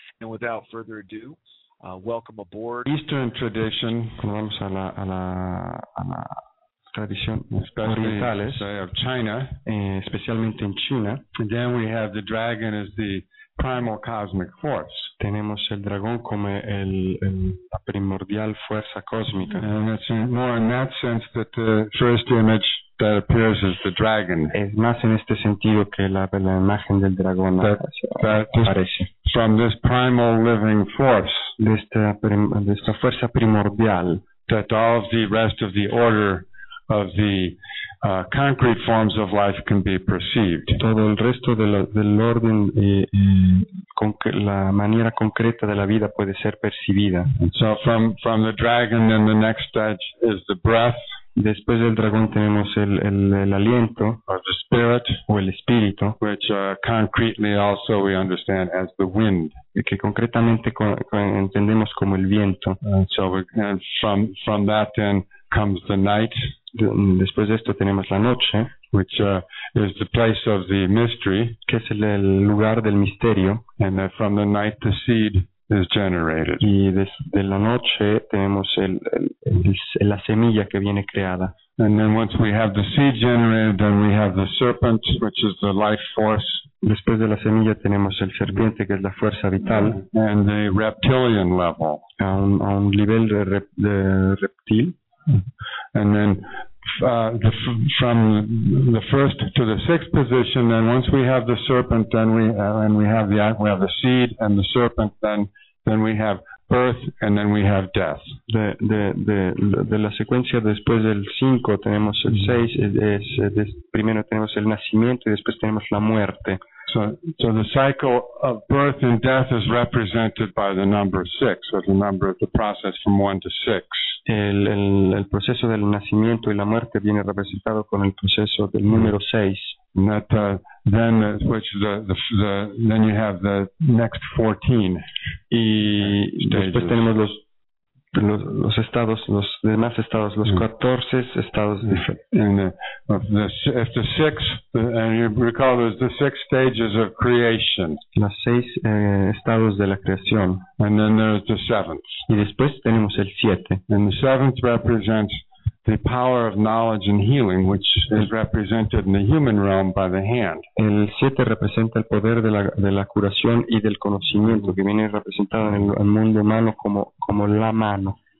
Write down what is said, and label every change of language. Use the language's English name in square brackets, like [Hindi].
[English] And without further ado, welcome aboard. Eastern tradition, [Spanish] vamos a la tradiciones [English] of China, [Spanish] especialmente en China. [English] And then we have the dragon as the primal cosmic force. [Spanish] Tenemos el dragón como la primordial fuerza cósmica. [English] And it's more in that sense that the first image that appears as the dragon. [Spanish] Es más en este sentido que la imagen del dragón aparece. [English] From this primal living force. [Spanish] De esta fuerza primordial. [English] That all of the rest of the order of the concrete forms of life can be perceived. [Spanish] Todo el resto de del orden con la manera concreta de la vida puede ser percibida. [English] So from the dragon, then the next stage is the breath. [Spanish] Después del dragón tenemos el aliento, [English] or the spirit, [Spanish] o el espíritu, [English] which concretely also we understand as the wind, [Spanish] que concretamente entendemos como el viento. [English] And from that then comes the night. [Spanish] Después de esto tenemos la noche, [English] which is the place of the mystery, [Spanish] que es el lugar del misterio. [English] And from the night the seed is generated. [Spanish] Y desde la noche tenemos la semilla que viene creada. [English] And then once we have the seed generated, then we have the serpent, which is the life force. [Spanish] Después de la semilla tenemos el serpiente, que es la fuerza vital. [English] And the reptilian level. [Spanish] A un nivel de reptil. [English] And then from the first to the sixth position, then once we have the serpent, then we have the seed and the serpent, then we have birth, and then we have death. [Spanish] De la secuencia después del 5 tenemos el 6, primero tenemos el nacimiento y después tenemos la muerte. [English] So the cycle of birth and death is represented by the number 6, or the number of the process from 1 to 6. [Spanish] El proceso del nacimiento y la muerte viene representado con el proceso del número 6. [English] Then you have the next 14. [Spanish] Y después tenemos los estados, los demás estados, los 14 estados diferentes. [English] And you recall there's the 6 stages of creation. [Spanish] Los 6 estados de la creación. [English] And then there's the 7th. [Spanish] Y después tenemos el 7. [English] And the 7th represents the power of knowledge and healing, which is represented in the human realm by the hand. [Spanish] El 7 representa el poder de la curación y del conocimiento, que viene representado en el mundo humano como la mano.